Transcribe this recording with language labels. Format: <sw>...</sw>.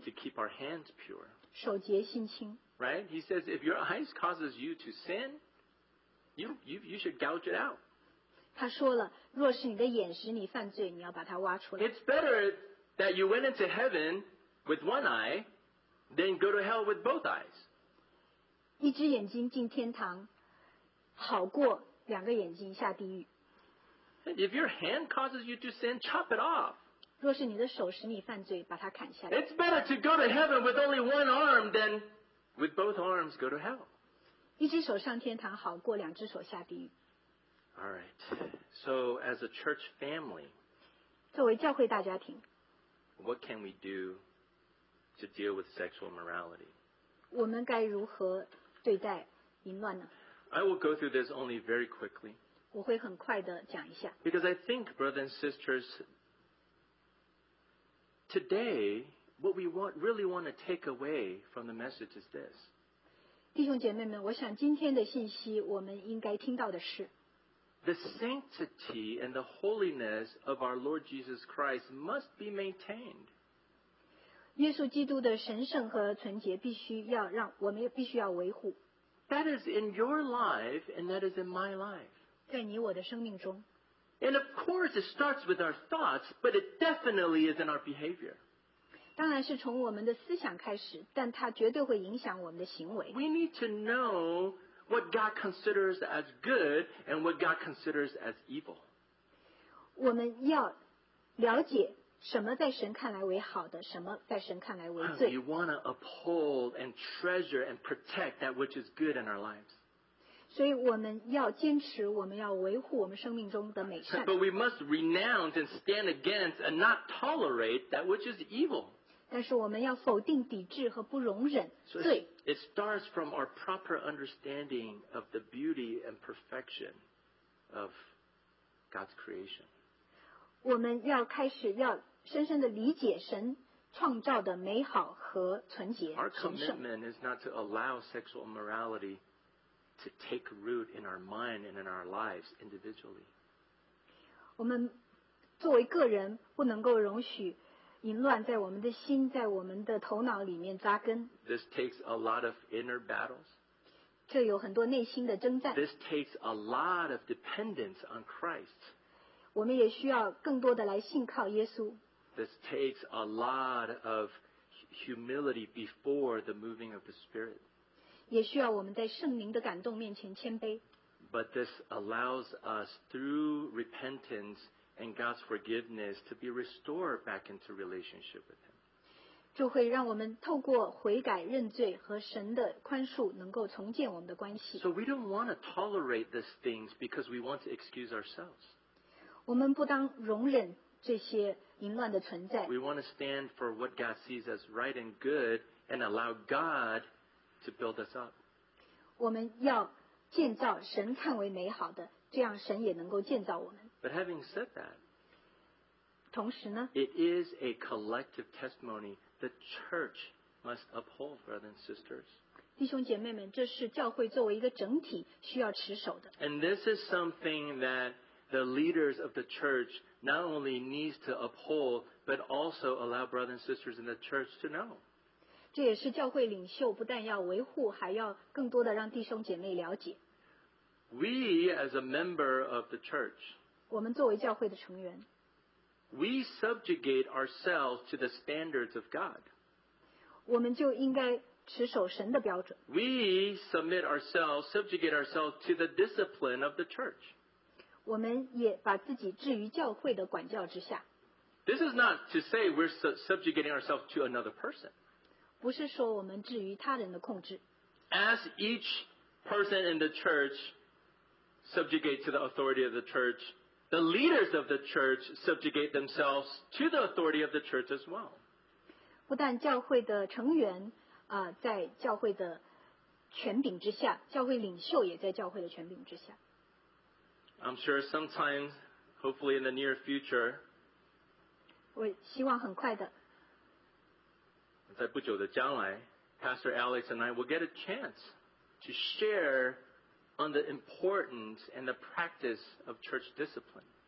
<en>To keep our hands pure.</en> <zh>守洁心清。</zh> <en>Right? He says if your eyes causes you to sin, you should gouge it out.</en> <zh>他说了，若是你的眼使你犯罪，你要把它挖出来。</zh> <en>It's better that you went into heaven with one eye than go to hell with both eyes.</en> <zh>一只眼睛进天堂，好过两个眼睛下地狱。</zh> <en>If your hand causes you to sin, chop it off.</en> <zh>若是你的手使你犯罪，把它砍下来。</zh> <en>It's better to go to heaven with only one arm than with both arms go to hell.</en> <zh>一只手上天堂好过两只手下地狱。</zh> <en>All right. So as a church family,</en> <zh>作为教会大家庭，</zh> <en>what can we do to deal with sexual morality?</en> <zh>我们该如何对待淫乱呢？</zh> <en>I will go through this only very quickly.</en> <zh>我会很快的讲一下。</zh> <en>Because I think, brothers and sisters, today, what we really want to take away from the message is this.</en> <zh>弟兄姐妹们，我想今天的信息我们应该听到的是，</zh> <en>the sanctity and the holiness of our Lord Jesus Christ must be maintained.</en> <zh>耶稣基督的神圣和纯洁必须要让我们必须要维护。</zh> <en>That is in your life and that is in my life.</en> <zh>在你我的生命中。</zh> <en>And of course it starts with our thoughts, but it definitely is in our behavior.</en> <zh>当然是从我们的思想开始，但它绝对会影响我们的行为。</zh> <en>We need to know what God considers as good and what God considers as evil.</en> <zh>我们要了解什么在神看来为好的，什么在神看来为罪。</zh> <en>We want to uphold and treasure and protect that which is good in our lives.</en> <zh>所以我们要坚持，我们要维护我们生命中的美善。</zh> <en>But we must renounce and stand against and not tolerate that which is evil.</en> <zh>但是我们要否定、抵制和不容忍罪。</zh> <en>It starts from our proper understanding of the beauty and perfection of God's creation.</en> <zh>我们要开始要深深的理解神创造的美好和纯洁。</zh> <en>Our commitment is not to allow sexual morality to take root in our mind and in our lives individually.</en> <zh>我们作为个人不能够容许淫乱在我们的心，在我们的头脑里面扎根。</zh> <en>This takes a lot of inner battles.</en> <zh>这有很多内心的征战。</zh> <en>This takes a lot of dependence on Christ.</en> <zh>我们也需要更多的来信靠耶稣。</zh> <en>This takes a lot of humility before the moving of the Spirit.</en> <zh>也需要我们在圣灵的感动面前谦卑。</zh> <en>But this allows us through repentance and God's forgiveness to be restored back into relationship with Him.</en> <zh>就会让我们透过悔改认罪和神的宽恕能够重建我们的关系。</zh> <en>So we don't want to tolerate these things because we want to excuse ourselves.</en> <zh>我们不当容忍这些淫乱的存在。</zh> <en>We want to stand for what God sees as right and good and allow God to build us up.</en> <zh>我们要建造神看为美好的，这样神也能够建造我们。</zh> <en>But having said that,</en> <zh>同时呢,</zh> <en>it is a collective testimony the church must uphold, brothers and sisters.</en> <zh>弟兄姐妹们，这是教会作为一个整体需要持守的。</zh> <en>And this is something that the leaders of the church not only needs to uphold, but also allow brothers and sisters in the church to know.</en> <zh>这也是教会领袖不但要维护，还要更多的让弟兄姐妹了解。</zh> <en>We, as a member of the church,</en> <zh>我们作为教会的成员，</zh> <en>we subjugate ourselves to the standards of God.</en> <zh>我们就应该持守神的标准。</zh> <en>We submit ourselves, subjugate ourselves to the discipline of the church.</en> <zh>我们也把自己置于教会的管教之下。</zh> <en>This is not to say we're subjugating ourselves to another person.</en> <zh>不是说我们置于他人的控制。</zh> <en>As each person in the church subjugate to the authority of the church, the leaders of the church subjugate themselves to the authority of the church as well.</en> <zh>不但教会的成员, 在教会的权柄之下, 教会领袖也在教会的权柄之下。</zh> <en>I'm sure sometime, hopefully in the near future,</en> <zh>我希望很快的, 在不久的将来,</zh> <en>Pastor Alex and I will get a chance to share on the importance and the practice of church discipline.</en>